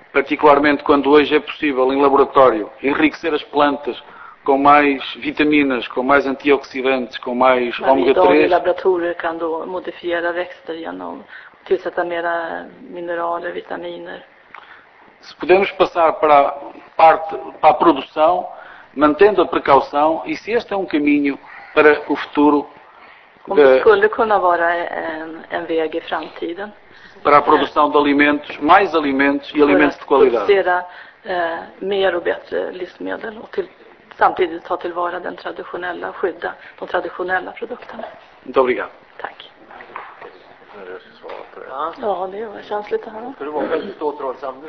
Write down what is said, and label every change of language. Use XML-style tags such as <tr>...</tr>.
<pt>Particularmente quando hoje é possível em laboratório enriquecer as plantas com mais vitaminas, com mais antioxidantes, com mais ômega 3.</pt> <sv>Idag i laboratorier kan då modifiera växter genom tillsätta mera mineraler, vitaminer.</sv> <pt>Se podemos passar para a produção, mantendo a precaução, e se este é um caminho para o futuro. Como</pt> <sv>skulle kunna vara en väg i framtiden.</sv> <pt>Para a produção de alimentos, mais alimentos e alimentos de qualidade.</pt> <sv>Producera mer och bättre livsmedel och samtidigt ta tillvara den traditionella skydda de traditionella produkterna.</sv> <pt>Muito obrigado.</pt> <sv>Tack. Ja, det var känsligt det här. Ska du vara väldigt återhållsam nu?</sv>